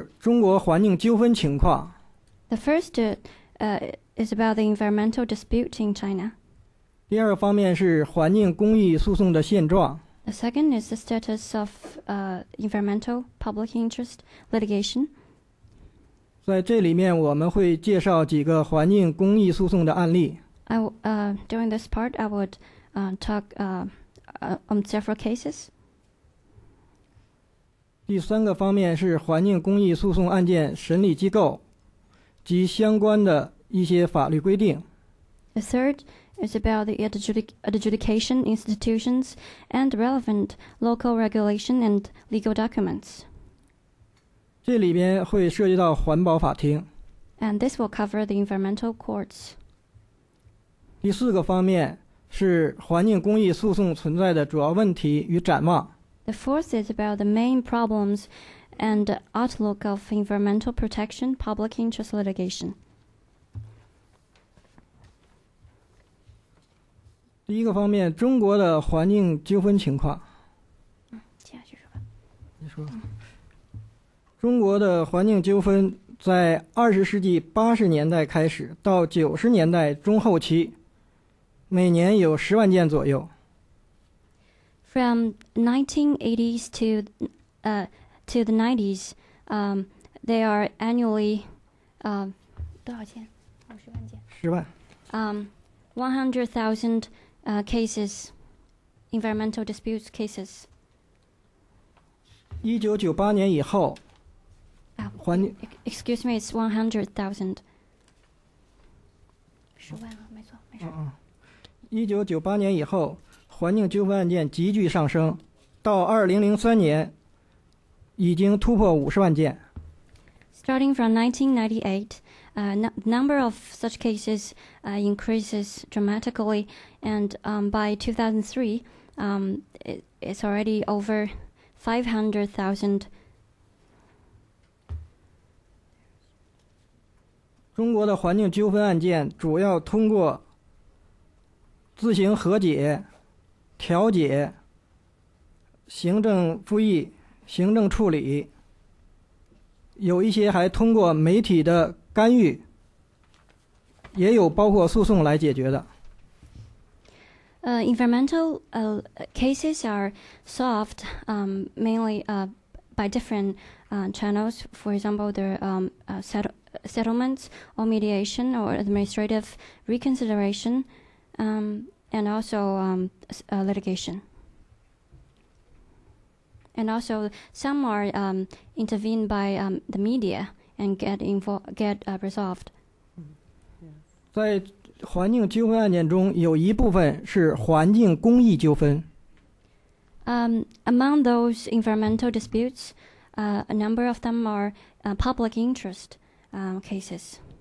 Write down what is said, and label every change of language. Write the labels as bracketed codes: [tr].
[zh] 一个方面是中国环境纠纷情况。 [en] The first is about the environmental dispute in China. [zh] 第二方面是环境公益诉讼的现状。 [en] The second is the status of environmental public interest litigation. [zh] 在这里面我们会介绍几个环境公益诉讼的案例。 [en] During this part, I would talk on several cases. [zh] 第三个方面是环境公益诉讼案件审理机构及相关的一些法律规定。 [en] The third is about the adjudication institutions and relevant local regulation and legal documents. [zh] 这里边会涉及到环保法庭。 [en] And this will cover the environmental courts. [zh] 第四个方面是环境公益诉讼存在的主要问题与展望。 [en] The fourth is about the main problems and outlook of environmental protection, public interest litigation. [zh] 第一个方面，中国的环境纠纷情况。嗯，接下去说吧。你说。中国的环境纠纷在二十世纪八十年代开始，到九十年代中后期，每年有十万件左右。 [en] From 1980s to the 90s, they are annually [zh] 多少件？五十万件。十万。 [en] 100,000 cases, environmental disputes cases. [zh] 一九九八年以后。 [en] Excuse me, it's 100,000. [zh] 10,000,没错，没事。一九九八年以后，环境纠纷案件急剧上升，到2003年，已经突破50万件。 [en] Starting from 1998, the number of such cases increases dramatically, and by 2003, it's already over 500,000. [zh] 中国的环境纠纷案件主要通过自行和解、调解、行政复议、行政处理，有一些还通过媒体的干预，也有包括诉讼来解决的。 [en] Environmental cases are solved mainly by different channels. For example, the settlements or mediation or administrative reconsideration and also litigation. And also some are intervened by the media and get resolved. [zh] 在环境纠纷案件中有一部分是环境公益纠纷。 [en] Among those environmental disputes, a number of them are public interest. Cases.